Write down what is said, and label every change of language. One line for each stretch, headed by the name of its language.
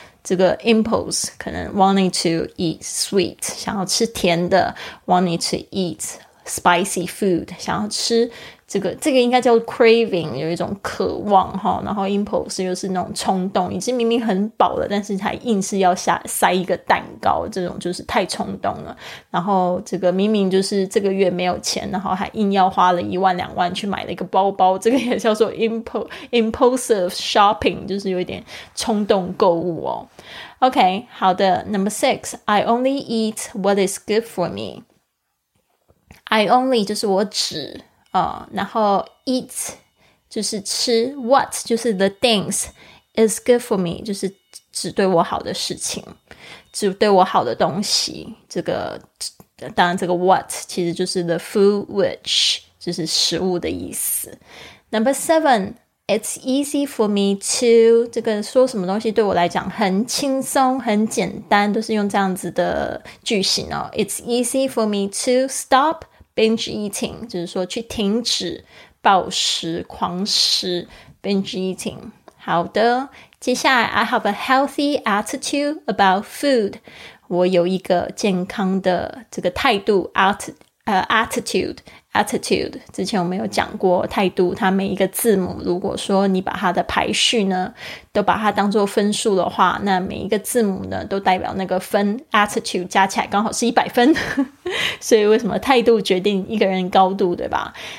Chinese: 这个 impulse 可能
English: wanting to eat sweet
Chinese: 想要吃甜的，
English: wanting to eat spicy food
Chinese: 想要吃这个应该叫 craving， 有一种渴望，然后 impulse 又是那种冲动，已经明明很饱了但是还硬是要塞一个蛋糕，这种就是太冲动了。然后这个明明就是这个月没有钱，然后还硬要花了10000-20000去买了一个包包，这个也叫做 impulsive shopping， 就是有点冲动购物哦。 OK， 好的。
English: Number 6， I only eat what is good for me。
Chinese: I only 就是我只然后 eat 就是吃， what 就是
English: the things is good for me，
Chinese: 就是只对我好的事情，只对我好的东西。这个当然这个 what 其实就是
English: the food which
Chinese: 就是食物的意思。
English: Number 7， it's easy for me to，
Chinese: 这个说什么东西对我来讲很轻松很简单，都是用这样子的句型哦。
English: It's easy for me to stop binge eating，
Chinese: 就是说去停止暴食狂食
English: binge eating。
Chinese: 好的，接下来
English: I have a healthy attitude about food，
Chinese: 我有一个健康的这个态度 attitude 之前我们有讲过态度，它每一个字母如果说你把它的排序呢都把它当作分数的话，那每一个字母呢都代表那个分， attitude 加起来刚好是100分所以为什么态度决定一个人高度，对吧？